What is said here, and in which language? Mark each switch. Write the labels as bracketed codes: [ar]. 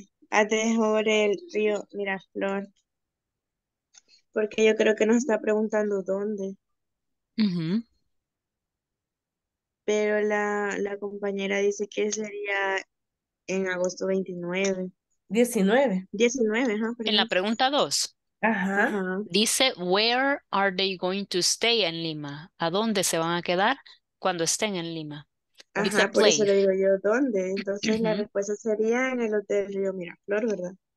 [es] Atejor el río Miraflor. Porque yo creo que nos está preguntando dónde. Uh-huh. Pero la compañera dice que sería en agosto 29. 19. 19, ¿no? En la pregunta 2. Ajá. Dice, [en] where are they going to stay in Lima? [es] ¿A dónde se van a quedar cuando estén en Lima? Ajá, por eso le digo yo, ¿dónde? Entonces uh-huh. La respuesta sería en el Hotel Río Miraflor, ¿verdad?